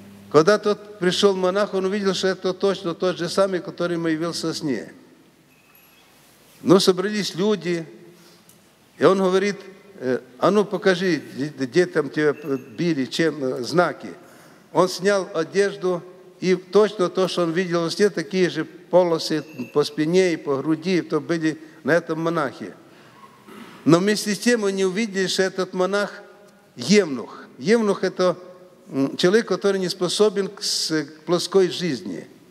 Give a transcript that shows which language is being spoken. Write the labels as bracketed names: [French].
[Russian] Когда тот пришел монах, он увидел, что это точно тот же самый, который ему явился с ней. Но собрались люди, и он говорит, а ну покажи, где там тебя били, чем знаки. Он снял одежду [Ukrainian] і точно то, що він бачив у сні, такі ж полоси по спині і по груді, то були на цьому монахи. [Russian] Но вместе с тем они увидели, что этот монах евнух. Евнух – это человек, который не способен к плоской жизни.